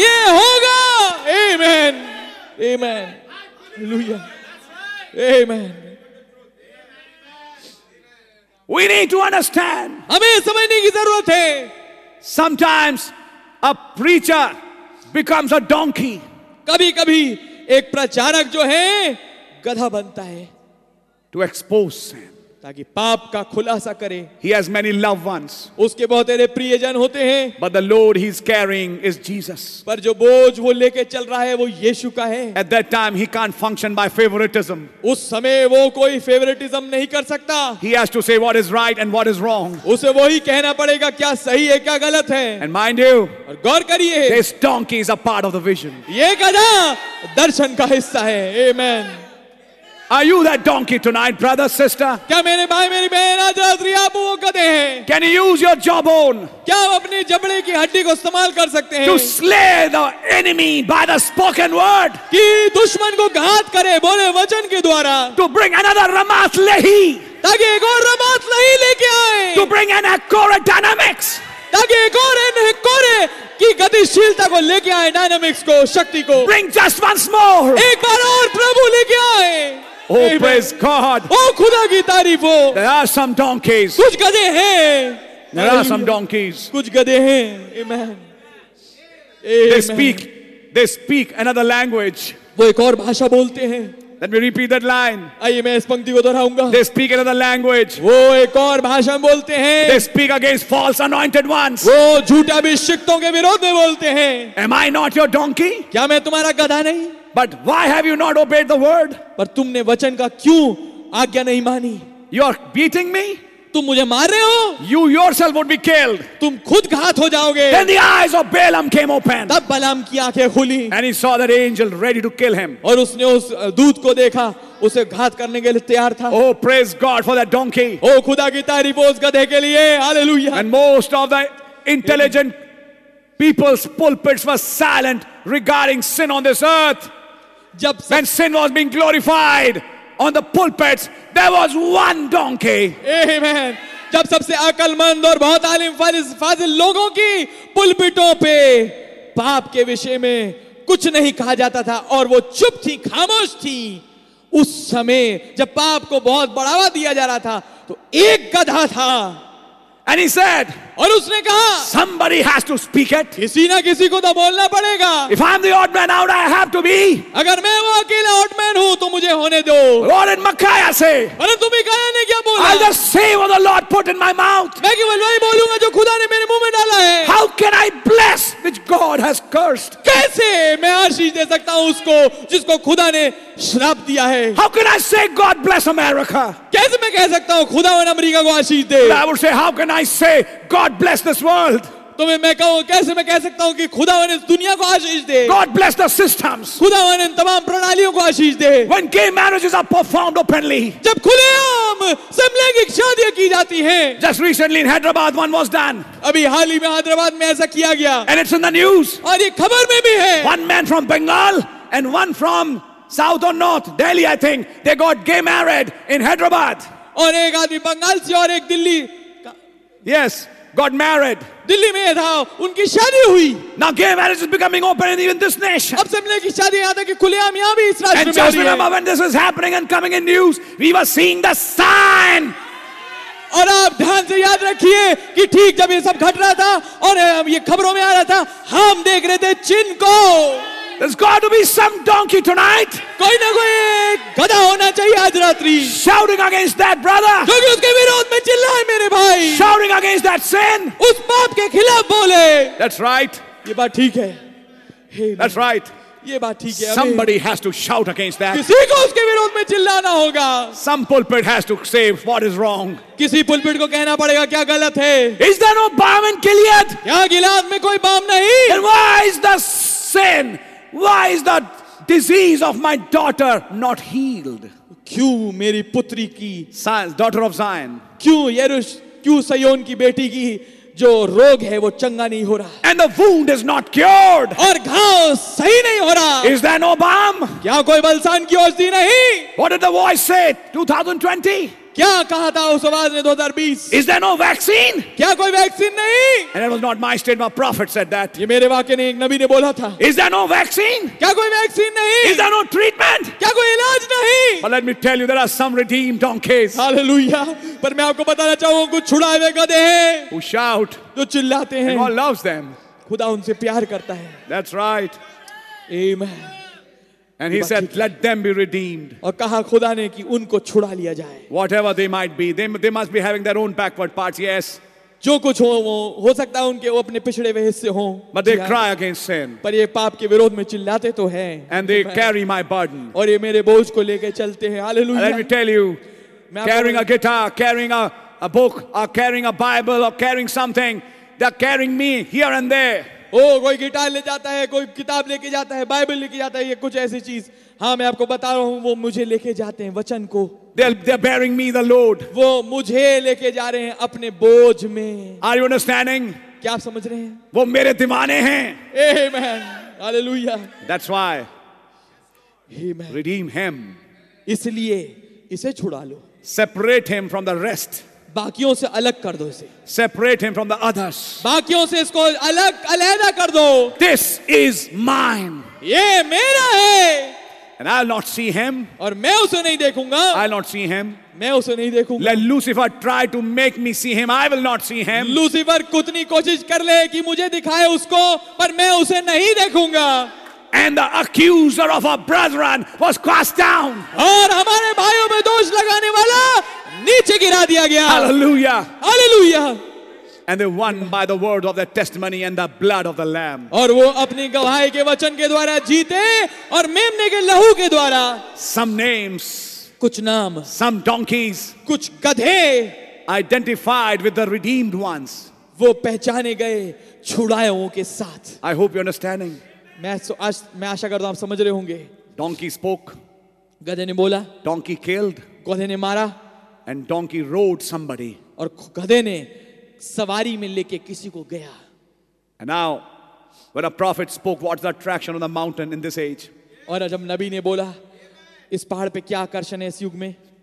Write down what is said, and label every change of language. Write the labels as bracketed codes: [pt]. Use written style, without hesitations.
[hi] ये होगा. [en] Amen. Amen. Hallelujah. Amen. We need to understand. [hi] हमें समझने की जरूरत है. [en] Sometimes a preacher becomes a donkey. [hi] कभी कभी एक प्रचारक जो है गधा बनता है. [en] To expose sin. [hi] ताकि पाप का खुलासा करे. [en] He has many loved ones. [hi] उसके बहुत सारे प्रियजन होते हैं. [en] But the load he's carrying is Jesus. [hi] पर जो बोझ वो लेके चल रहा है वो यीशु का है. [en] At that time he can't function by favoritism. [hi] उस समय वो कोई favoritism नहीं कर सकता. [en] He has to say what is right and what is wrong. [hi] उसे वही कहना पड़ेगा क्या सही है क्या गलत है. [en] And mind you. [hi] और गौर करिए. [en] This donkey is a part of the vision. [hi] ये गधा दर्शन का हिस्सा है. Amen. [en] Are you that donkey tonight, brother, sister? [hi] क्या मेरे भाई मेरी बहन आज रात्रि आप वो गधे हैं? [en] Can you use your jawbone? [hi] क्या आप अपने जबड़े की हड्डी को इस्तेमाल कर सकते हैं? [en] To slay the enemy by the spoken word. [hi] कि दुश्मन को घात करें बोले वचन के द्वारा. [en] To bring another Ramath Lehi. [hi] ताकि एक और रमाथ लही लेके आए. [en] To bring an Akora dynamics. [hi] ताकि एक और एन हिकोरे की गतिशीलता को लेके आए डायनामिक्स को शक्ति को. [en] Bring just once more. [hi] एक बार और प्रभु लेके आए. [en] Oh, Amen. Praise God. [hi] Oh, khuda ki tarif ho. [en] There are some donkeys. [hi] Kuch gadhe hain. [en] There are some donkeys. [hi] Kuch gadhe hain. Amen. [en] They speak another language. [hi] Woh ek aur bhasha bolte hain. [en] Let me repeat that line. [hi] Aiye main is pankti ko dohraunga. [en] They speak another language. [hi] Woh ek aur bhasha bolte hain. [en] They speak against false anointed ones. [hi] Woh jhoota abhishekton ke virodh mein bolte hain. [en] Am I not your donkey? [hi] Kya main tumhara gadha nahi? [en] But why have you not obeyed the word? [hi] पर तुमने वचन का क्यों आज्ञा नहीं मानी? [en] You are beating me? [hi] तुम मुझे मार रहे हो? [en] You yourself would be killed. [hi] तुम खुद घात हो जाओगे. [en] Then the eyes of Balaam came open. [hi] तब बलाम की आंखें खुली. [en] And he saw that angel ready to kill him. [hi] और उसने उस दूत को देखा, उसे घात करने के लिए तैयार था. [en] Oh, praise God for that donkey. [hi] Oh, खुदा की तारीफ उस गधे के लिए. [en] Hallelujah. And most of the intelligent people's pulpits were silent regarding sin on this earth. When sin was being glorified on the pulpits, there was one donkey. Amen. [hi] जब सबसे अकलमंद और बहुत आलिम फाजिल लोगों की पुलपिटों पे पाप के विषय में कुछ नहीं कहा जाता था और वो चुप थी खामोश थी, उस समय जब पाप को बहुत बढ़ावा दिया जा रहा था तो एक गधा था. [en] And he said, [hi] और उसने कहा, [en] somebody has to speak it. [hi] किसी ना किसी को तो बोलना पड़ेगा. [en] If I'm the odd man out, I have to be. [hi] अगर मैं वो अकेला odd man हूँ, तो मुझे होने दो. [en] Lord in Micaiah say. [hi] परंतु मिकाया ने क्या बोला? [en] I'll just say what the Lord put in my mouth. [hi] मैं केवल वही बोलूँगा जो खुदा ने मेरे मुंह में डाला है. [en] How can I bless which God has cursed? [hi] कैसे मैं आशीष दे सकता हूँ उसको जिसको खुदा ने श्राप दिया है? [en] How can I say God bless America? [hi] कैसे मैं कह सकता हूँ खुदा वन अमरीका को आशीष दे? [en] I would say, how can I say God bless this world? [hi] तो मैं कहूँ कैसे मैं कह सकता हूँ कि खुदा वन इस दुनिया को आशीष दे? [en] God bless the systems. [hi] खुदा वन इन तमाम प्रणालियों को आशीष दे. [en] When gay marriages are performed openly. [hi] जब खुलेआम समलैंगिक शादियाँ की जाती हैं. [en] Just recently in Hyderabad one was done. [hi] अभी हाल ही में हैदराबाद में ऐसा किया गया. [en] And it's in the news. [hi] और ये खबर में भी है. [en] One man from Bengal and one from South or North Delhi, I think they got gay married in Hyderabad. [hi] और एक आदमी बंगाल से और एक Delhi. [en] Yes, got married. [hi] Delhi में था, उनकी शादी हुई. [en] Now gay marriage is becoming open in even this nation. [hi] अब सब लोग की शादी याद है कि खुलेआम यहाँ भी इस राज्य में. [en] And just remember when this is happening and coming in news, we were seeing the sign. [hi] और आप ध्यान से याद रखिए कि ठीक जब ये सब घट रहा था और ये खबरों में आ रहा था, हम देख रहे थे चिन्ह को. [en] There's got to be some donkey tonight. [hi] कोई ना कोई गधा होना चाहिए आज रात्रि. [en] Shouting against that brother. [hi] क्योंकि उसके विरोध में चिल्लाए मेरे भाई. [en] Shouting against that sin. [hi] उस पाप के खिलाफ बोले. [en] That's right. [hi] ये बात ठीक है. [en] That's right. [hi] ये बात ठीक है. [en] Somebody has to shout against that. [hi] किसी को उसके विरोध में चिल्लाना होगा. [en] Some pulpit has to say what is wrong. [hi] किसी पुलपिट को कहना पड़ेगा क्या गलत है. [en] Is there no bomb in Gilead? [hi] क्या गिलाद में कोई बम नहीं? [en] Then why is the sin? Why is the disease of my daughter not healed? [hi] क्यों मेरी पुत्री की [en] daughter of Zion? [hi] क्यों यरुश क्यों सयोन की बेटी की जो रोग है वो चंगा नहीं हो रहा? [en] And the wound is not cured. [hi] और घाव सही नहीं हो रहा? [en] Is there no balm? [hi] क्या कोई बलसान की औषधि नहीं? [en] What did the voice say? 2020? [hi] क्या कहा था उस आवाज ने 2020? [en] Is there no vaccine? [hi] क्या कोई वैक्सीन नहीं? [en] And it was not my statement, my prophet said that. [hi] ये मेरे वाक्य नहीं, एक नबी ने बोला था. [en] Is there no vaccine? [hi] क्या कोई वैक्सीन नहीं? [en] Is there no treatment? [hi] क्या कोई इलाज नहीं? [en] But let me tell you, there are some redeemed donkeys. Hallelujah. [hi] पर मैं आपको बताना चाहूंगा कुछ छुड़ाए हुए गधे हैं. [en] Who shout? [hi] जो चिल्लाते हैं. [en] God loves them. [hi] खुदा उनसे प्यार करता है. [en] That's right. Amen. And he said, "Let them be redeemed." [hi] और कहा खुदा ने कि उनको छुड़ा लिया जाए. [en] Whatever they might be, they must be having their own backward parts. Yes. [hi] जो कुछ हो वो हो सकता है उनके वो अपने पिछड़े हुए हिस्से हो. [en] But they cry against sin. [hi] पर ये पाप के विरोध में चिल्लाते तो हैं. [en] And they carry my burden. [hi] और ये मेरे बोझ को लेके चलते हैं. [en] Hallelujah. Let me tell you, carrying a guitar, carrying a book, or carrying a Bible, or carrying something, they're carrying me here and there. [hi] कोई गिटार ले जाता है, कोई किताब लेके जाता है, बाइबल लेके जाता है, ये कुछ ऐसी चीज। हाँ मैं आपको बता रहा हूँ, वो मुझे लेके जाते हैं वचन को। [en] They're bearing me the load. [hi] वो मुझे लेके जा रहे हैं अपने बोझ में। [en] Are you understanding? [hi] क्या आप समझ रहे हैं? वो मेरे दीवाने हैं। [en] Amen. Hallelujah. That's why. Amen. Redeem him. [hi] इसलिए इसे छुड़ा लो। [en] Separate him from the rest. [hi] बाकियों से अलग कर दो इसे। [en] Separate him from the others. [hi] बाकियों से इसको अलग अलहदा कर दो। [en] This is mine. [hi] ये मेरा है। [en] And I'll not see him. [hi] और मैं उसे नहीं देखूंगा। [en] I'll not see him. [hi] मैं उसे नहीं देखूंगा। [en] Let Lucifer try to make me see him. I will not see him. [hi] Lucifer कितनी कोशिश कर ले कि मुझे दिखाए उसको, पर मैं उसे नहीं देखूंगा। [en] And the accuser of our brethren was cast down. [hi] और हमारे भाइयों में दोष लगाने वाला नीचे गिरा दिया गया। [en] Hallelujah. Hallelujah. And they won by the word of the testimony and the blood of the Lamb. [hi] और वो अपनी गवाही के वचन के द्वारा जीते और मेमने के लहू के द्वारा। [en] Some names. [hi] कुछ नाम। [en] Some donkeys. [hi] कुछ गधे। [en] Identified with the redeemed ones. [hi] वो पहचाने गए छुड़ायों के साथ। [en] I hope you're understanding. [hi] मैं आशा करता हूँ आप समझ रहे होंगे। [en] Donkey spoke. [hi] गधे ने बोला। [en] Donkey killed. [hi] गधे ने मारा। [en] And donkey rode somebody. [hi] और गधे ने सवारी में लेके किसी को गया। [en] And now, when a prophet spoke, what's the attraction on the mountain in this age? [hi] और जब नबी ने बोला, इस पहाड़ पे क्या आकर्षण है इस युग में?